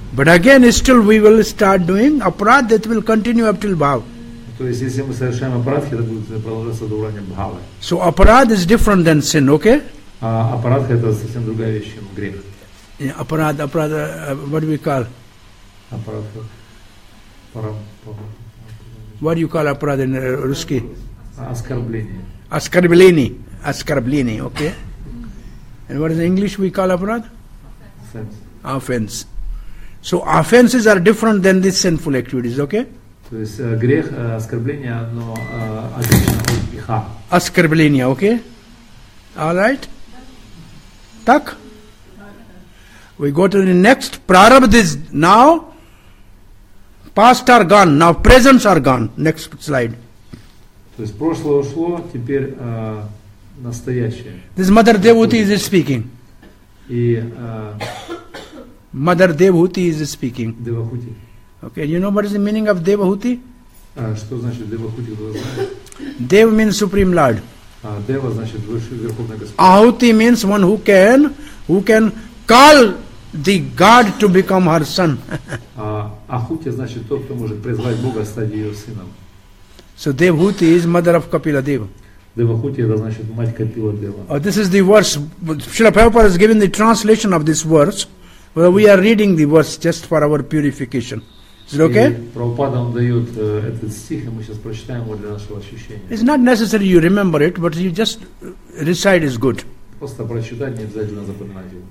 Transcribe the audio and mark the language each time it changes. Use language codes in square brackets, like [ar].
[en] But again, still we will start doing Aparadha, that will continue up till Bhav. [ru] То есть, если мы совершаем апарадхи, это будет продолжаться до уровня бхавы. [en] So, апарадха is different than sin, okay? [ru] А апарадха – это совсем другая вещь, чем грех. [en] Апарадха, апарадха, what do we call? [ru] Апарадха. [en] What do you call апарадха in русский? [ru] Оскорбление. Оскорбление. Оскорбление, [en] okay? And what is in English we call апарадха? Offense. Offense. So, offenses are different than these sinful activities, okay? [ru] То есть грех, оскорбление, оно отлично от греха. Оскорбление, окей? [en] All right? Так? We go to the next. Prarabdha is now. Past are gone, now presents are gone. Next slide. [ru] То есть прошлое ушло, теперь настоящее. [en] This Mother Devahuti is speaking. [ru] И [en] Mother Devahuti is speaking. Devahuti. Okay, you know what is the meaning of Devahuti? [ru] Что значит Devahuti? [en] Dev means Supreme Lord. [ru] Дева значит Высший Верховный Господь. [en] Ahuti means one who can call the God to become her son. [ru] Ahuti значит тот, кто может призвать Бога стать ее сыном. [en] So Devahuti is mother of Kapila Deva. [ru] Devahuti это значит мать Капила Дева. [en] This is the verse. Srila Prabhupada has given the translation of this verse. Well, we are reading the verse just for our purification. Is it okay? [ru] Prabhupada дает этот стих, и мы сейчас прочитаем его для нашего очищения. [en] It's not necessary you remember it, but you just recite is good. [ru] Просто прочитать, не обязательно запоминать его.